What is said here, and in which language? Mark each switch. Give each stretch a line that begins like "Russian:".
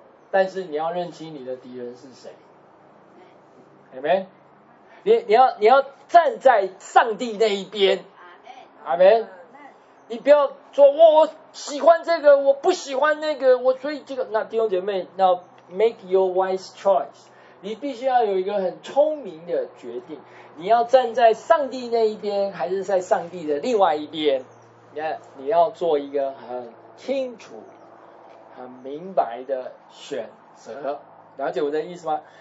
Chinese: 但是你要认清你的敌人是谁。 Amen？ 你要站在上帝那一边。Amen？你不要说我喜欢这个，我不喜欢那个，我所以这个。那弟兄姐妹，那
English: make your wise choice。
Chinese: 你必须要有一个很聪明的决定，你要站在上帝那一边还是在上帝的另外一边，你要做一个很清楚很明白的选择。了解我的意思吗？